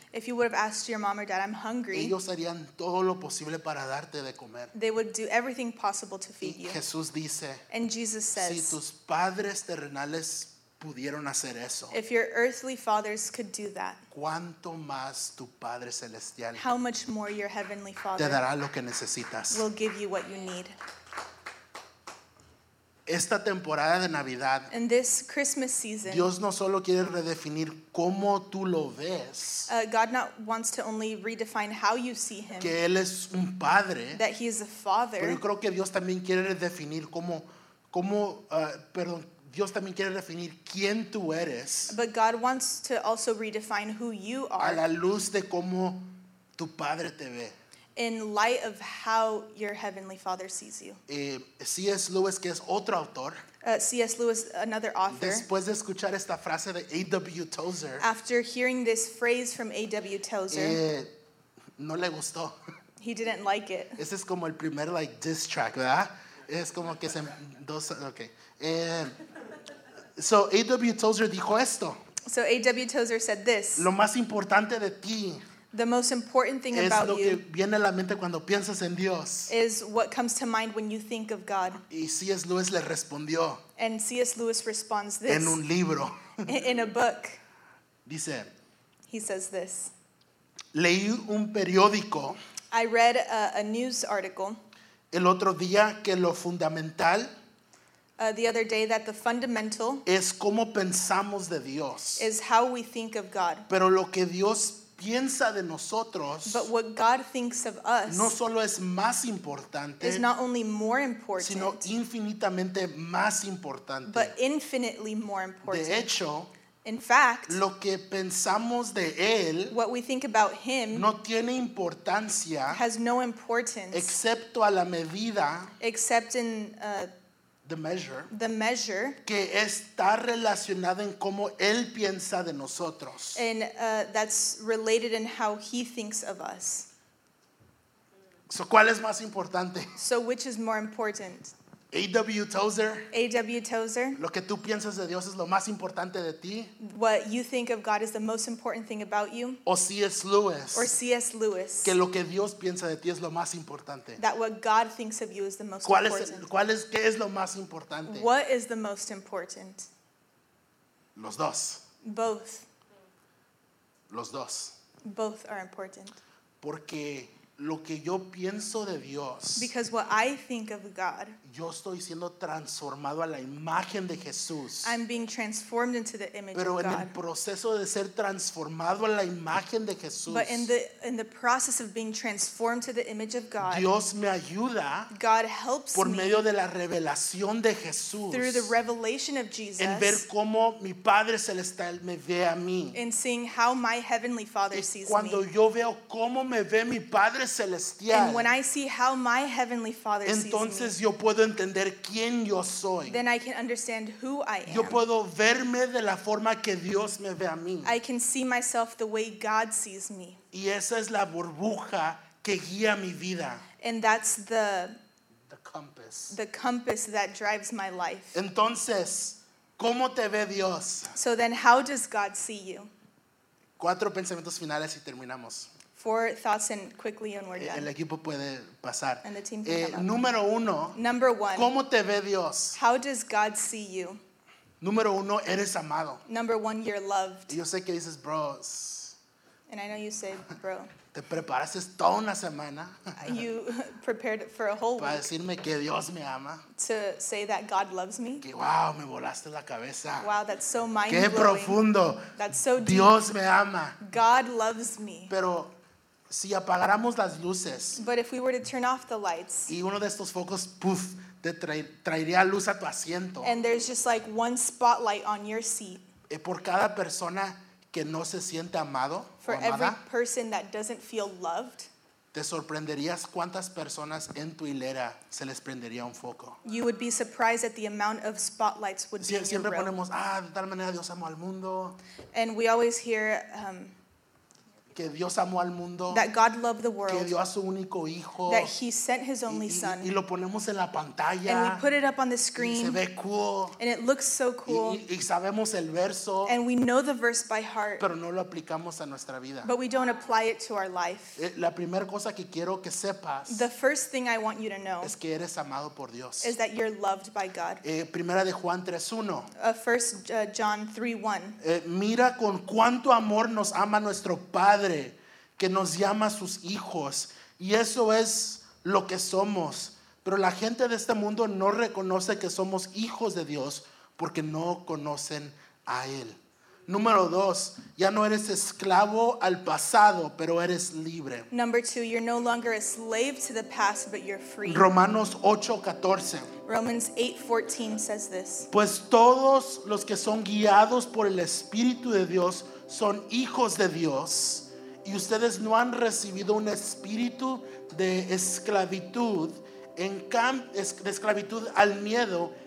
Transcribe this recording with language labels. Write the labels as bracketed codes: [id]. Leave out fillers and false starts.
[en] if you would have asked your mom or dad, I'm hungry, [es] ellos harían todo lo posible para darte de comer. [en] They would do everything possible to feed [es] you. Y Jesús dice, [en] and Jesus says, [es] si tus padres terrenales pudieron hacer eso, [en] if your earthly fathers could do that, [es] ¿cuánto más tu Padre Celestial, [en] how much more your Heavenly Father, [es] te dará lo que necesitas, [en] will give you what you need? [es] Esta temporada de Navidad, [en] in this Christmas season, [es] Dios no solo quiere redefinir cómo tú lo ves, [en] God not wants to only redefine how you see him, [es] que él es un padre, [en] that he is a father, [es] pero yo creo que Dios también quiere redefinir cómo Dios también quiere definir quién tú eres. [en] But God wants to also redefine who you are. [es] A la luz de cómo tu padre te ve. [en] In light of how your heavenly father sees you. [es] C.S. Lewis, que es otro autor. [en] C.S. Lewis, another author. [es] Después de escuchar esta frase de A.W. Tozer. [en] After hearing this phrase from A.W. Tozer. [es] No le gustó. [en] He didn't like it. [es] Ese es como el primer [en] like diss track, [es] ¿verdad? Es como que se... Dos, okay. So A.W. Tozer dijo esto. [en] So A.W. Tozer said this. [es] Lo más importante de ti. [en] The most important thing about you. [es] Es lo que viene a la mente cuando piensas en Dios. [en] Is what comes to mind when you think of God. [es] Y C.S. Lewis le respondió. [en] And C.S. Lewis responds this. [es] En un libro. [en] In a book. [es] Dice. [en] He says this. [es] Leí un periódico. [en] I read a news article. [es] El otro día que lo fundamental. [en] The other day that the fundamental. [es] Es cómo pensamos de Dios. [en] Is how we think of God. [es] Pero lo que Dios piensa de nosotros. [en] But what God thinks of us. [es] No solo es más importante. [en] Is not only more important. [es] Sino infinitamente más importante. [en] But infinitely more important. [es] De hecho. [en] In fact, [es] lo que pensamos de él, [en] what we think about him, [es] no tiene importancia, [en] has no importance, [es] excepto a la medida, [en] except in the measure, [es] que está relacionada en cómo él piensa de nosotros, [en] and that's related in how he thinks of us. [es] So, ¿cuál es más importante? [en] So, which is more important? A.W. Tozer. A.W. Tozer. [es] Lo que tú piensas de Dios es lo más importante de ti. [en] What you think of God is the most important thing about you. [es] O C.S. Lewis. [en] Or C.S. Lewis. [es] Que lo que Dios piensa de ti es lo más importante. [en] That what God thinks of you is the most important. [es] ¿Qué es lo más importante? [en] What is the most important? [es] Los dos. [en] Both. [es] Los dos. [en] Both are important. [es] Porque lo que yo pienso de Dios, [en] because what I think of God, [es] yo estoy siendo transformado a la imagen de Jesús. [en] I'm being transformed into the image of God. [es] Pero en el proceso de ser transformado a la imagen de Jesús, [en] but in the process of being transformed to the image of God, [es] Dios me ayuda, [en] God helps [es] por medio de la revelación de Jesús, [en] through the revelation of Jesus, [es] en ver cómo mi Padre Celestial me ve a mí, [en] in seeing how my Heavenly Father sees me. [es] Cuando yo veo cómo me ve mi Padre Celestial, [en] and when I see how my Heavenly Father [es] entonces [en] sees me, [es] yo puedo entender quién yo soy. [en] Then I can understand who I am. [es] Yo puedo verme de la forma que Dios me ve a mí. [en] I can see myself the way God sees me. [es] Y esa es la burbuja que guía mi vida. [en] And that's the compass. The compass that drives my life. [es] Entonces, ¿cómo te ve Dios? [en] So then how does God see you? [es] Cuatro pensamientos finales y terminamos. [en] Four thoughts and quickly and we're done. [es] El equipo puede pasar. [en] And the team can come up. [es] Número uno. [en] Number one. [es] ¿Cómo te ve Dios? [en] How does God see you? [es] Número uno, eres amado. [en] Number one, you're loved. [es] Y yo sé que dices, bros. [en] And I know you say, bro. [es] Te preparaste toda una semana. [en] You prepared for a whole [es] para Para decirme que Dios me ama. [en] To say that God loves me. [es] Que wow, me volaste la cabeza. [en] Wow, that's so mind-blowing. [es] Qué profundo. [en] That's so deep. [es] Dios me ama. [en] God loves me. [es] Pero si apagáramos las luces, [en] but if we were to turn off the lights, [es] y uno de estos focos, puff, te traería luz a tu asiento. [en] And there's just like one spotlight on your seat. [es] Por cada persona que no se siente amado, [en] for [es] o amada, [en] every person that doesn't feel loved, [es] te sorprenderías cuántas personas en tu hilera se les prendería un foco. [en] You would be surprised at the amount of spotlights would [es] si, [en] be in your [es] Ponemos, ah, de tal manera Dios amó al mundo. [en] And we always hear, [es] que Dios amó al mundo, [en] that God loved the world, [es] que dio a su único hijo, [en] that he sent his only son, [es] y lo ponemos en la pantalla, [en] and we put it up on the screen, [es] y se ve cool, [en] and it looks so cool, [es] y sabemos el verso, [en] and we know the verse by heart, [es] pero no lo aplicamos a nuestra vida, [en] but we don't apply it to our life. [es] La primera cosa que quiero que sepas, [en] the first thing I want you to know, [es] es que eres amado por Dios, [en] is that you're loved by God. [es] Primera de Juan 3:1, [en] First John 3:1, [es] mira con cuánto amor nos ama nuestro Padre, que nos llama a sus hijos, y eso es lo que somos. Pero la gente de este mundo no reconoce que somos hijos de Dios porque no conocen a Él. Número dos, ya no eres esclavo al pasado, pero eres libre. [en] Number two, you're no longer a slave to the past, but you're free. [es] Romanos 8:14. [en] Romans 8:14 says this. [es] Pues todos los que son guiados por el Espíritu de Dios son hijos de Dios. Y ustedes no han recibido un espíritu de esclavitud, de esclavitud al miedo.